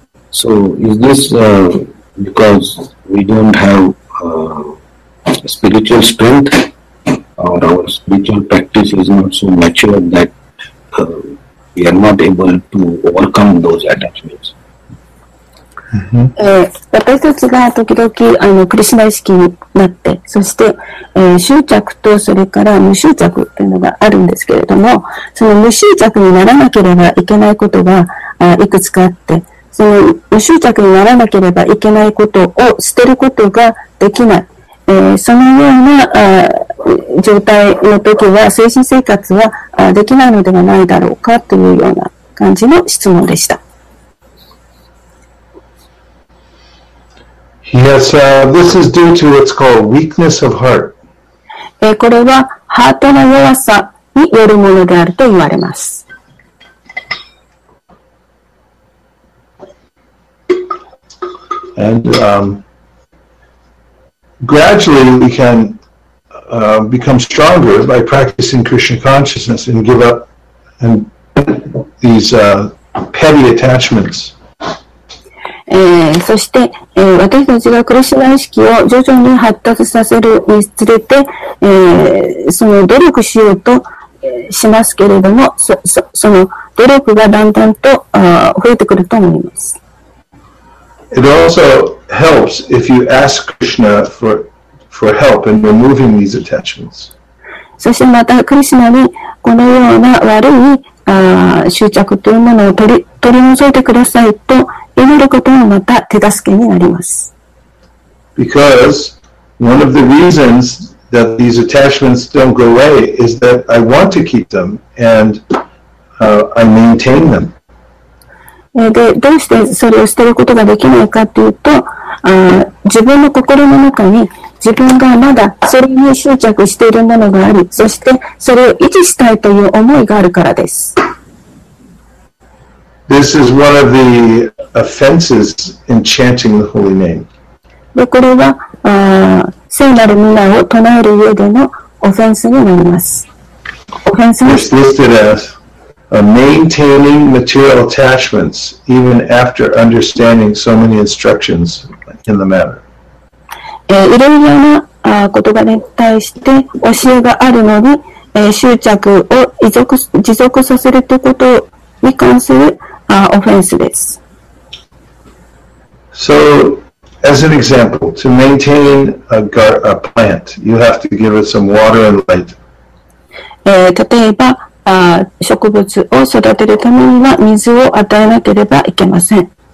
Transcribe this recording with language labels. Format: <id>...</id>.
<en>So is this because we don't have spiritual strength, or our spiritual practice is not so mature that we are not able to overcome those attachments? Mm-hmm.</en> <ja>私たちが時々クリシュナ意識になって、そして、執着とそれから無執着というのがあるんですけれども、その無執着にならなければいけないことがいくつかあって、その無執着にならなければいけないことを捨てることができない、そのような状態の時は精神生活はできないのではないだろうかというような感じの質問でした。</ja> <en>Yes, this is due to what's called weakness of heart.</en> <ja>これはハートの弱さによるものであると言われます。</ja> <en>And gradually we can become stronger by practicing Krishna consciousness and give up and these petty attachments.</en> <ja>そして、私たちがクリシュナ意識を徐々に発達させるにつれて、その努力しようと、しますけれども、 その努力がだんだんと増えてくると思います。</ja> <en>It also helps if you ask Krishna for help in removing these attachments.</en> <ja>そしてまたクリシュナにこのような悪い執着というものを取り除いてくださいと祈ることもまた手助けになります。</ja> <en>Because one of the reasons that these attachments don't go away is that I want to keep them and I maintain them.</en> <ja>で、どうしてそれを捨てることができないかというと、自分の心の中に自分がまだそれに執着しているものがあり、そしてそれを維持したいという思いがあるからです。</ja> <en>This is one of the offenses in chanting the holy name.</en> <ja>で、これは、聖なる名を唱える上でのオフェンスになります。オフェンスです。</ja> <en>It's listed as a maintaining material attachments even after understanding so many instructions in the matter.</en> <ja>いろいろな言葉に対して教えがあるのに、執着を持続させるということに関するオフェンスです。</ja> <en>So, as an example, to maintain a plant, you have to give it some water and light.</en> <ja>例えば、植物を育てるためには水を与えなければいけません。</ja>